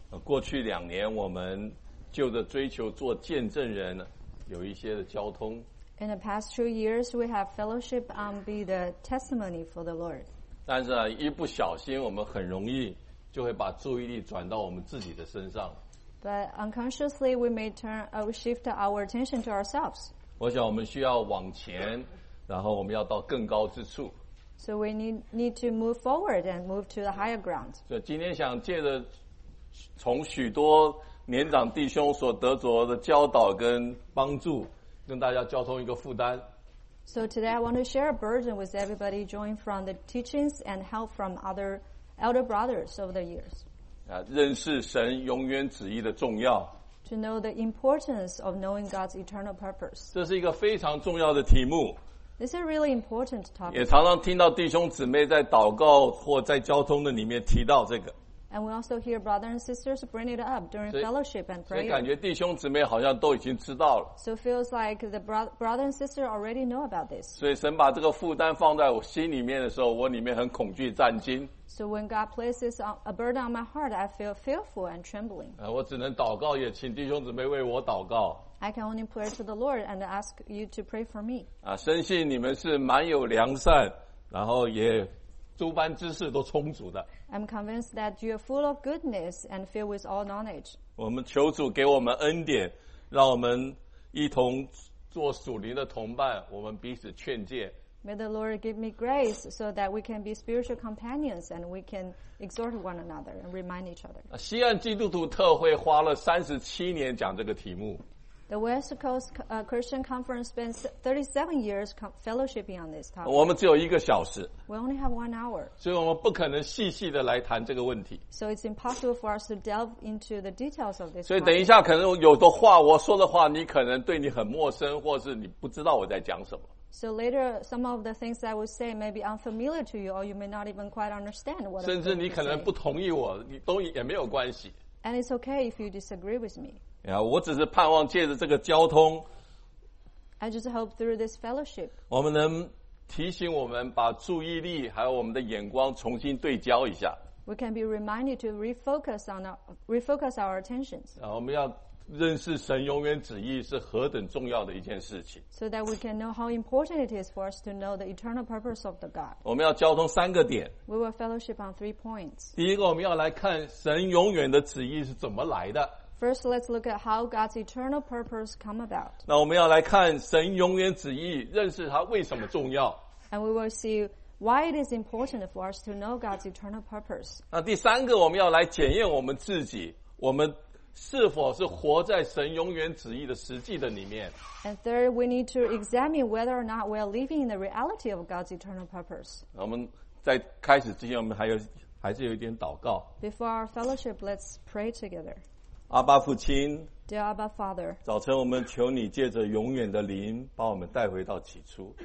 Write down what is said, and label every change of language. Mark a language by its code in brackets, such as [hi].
[zh] 过去两年，我们就着追求做见证人，有一些的交通。 [en] In the past 2 years, we have fellowship and be the testimony for the Lord. [zh] 但是一不小心，我们很容易就会把注意力转到我们自己的身上。 [en] But unconsciously, we may turn, we shift our attention to ourselves. [zh] 我想我们需要往前，然后我们要到更高之处。 [en] So we need to move forward and move to the higher ground. [zh] 所以今天想借着从许多年长弟兄所得着的教导跟帮助，跟大家交通一个负担。 [en] So today I want to share a burden with everybody, joined from the teachings and help from other elder brothers over the years. [zh] 认识神永远旨意的重要。 [en] To know the importance of knowing God's eternal purpose. [zh] 这是一个非常重要的题目。 [en] This is a really important topic. [zh] 也常常听到弟兄姊妹在祷告或在交通的里面提到这个。 [en] And we also hear brothers and sisters bring it up during fellowship and prayer. [zh] 所以感觉弟兄姊妹好像都已经知道了。 [en] So it feels like the brother and sister already know about this. [zh] 所以神把这个负担放在我心里面的时候，我里面很恐惧战惊。 [en] So when God places a burden on my heart, I feel fearful and trembling. [zh] 我只能祷告，也请弟兄姊妹为我祷告。 [en] I can only pray to the Lord and ask you to pray for me. [zh] 深信你们是蛮有良善，然后也诸般知识都充足的。 [en] I'm convinced that you are full of goodness and filled with all knowledge. [zh] 我们求主给我们恩典，让我们一同做属灵的同伴，我们彼此劝诫。 [en] May the Lord give me grace so that we can be spiritual companions and we can exhort one another and remind each other. [zh] 西岸基督徒特会花了37年讲这个题目。 [en] The West Coast Christian Conference spent 37 years fellowshipping on this topic. [zh] 我们只有一个小时。 [en] We only have 1 hour. [zh] 所以我们不可能细细的来谈这个问题。 [en] So it's impossible for us to delve into the details of this. [zh] 所以等一下可能有的话，我说的话，你可能对你很陌生，或是你不知道我在讲什么。 [en] So later, some of the things that I will say may be unfamiliar to you, or you may not even quite understand what I'm saying. [zh] 甚至你可能不同意我，你都也没有关系。 [en] And it's okay if you disagree with me. [zh] 我只是盼望借着这个交通， [en] I just hope through this fellowship, [zh] 我们能提醒我们把注意力还有我们的眼光重新对焦一下。 [en] We can be reminded to refocus our attentions. [zh] 我们要认识神永远旨意是何等重要的一件事情。 [en] So that we can know how important it is for us to know the eternal purpose of the God. [zh] 我们要交通三个点。 [en] We will fellowship on 3 points. [zh] 第一个，我们要来看神永远的旨意是怎么来的。 [en] First, let's look at how God's eternal purpose come about. [zh] 那我们要来看神永远旨意，认识它为什么重要。 [en] And we will see why it is important for us to know God's eternal purpose. [zh] 那第三个，我们要来检验我们自己，我们是否是活在神永远旨意的实际的里面。 [en] And third, we need to examine whether or not we are living in the reality of God's eternal purpose. [zh] 我们在开始之前，我们还是有一点祷告。 [en] Before our fellowship, let's pray together. [zh] 阿爸父亲， [en] Dear Abba Father, [zh] 早晨我们求你借着永远的灵把我们带回到起初。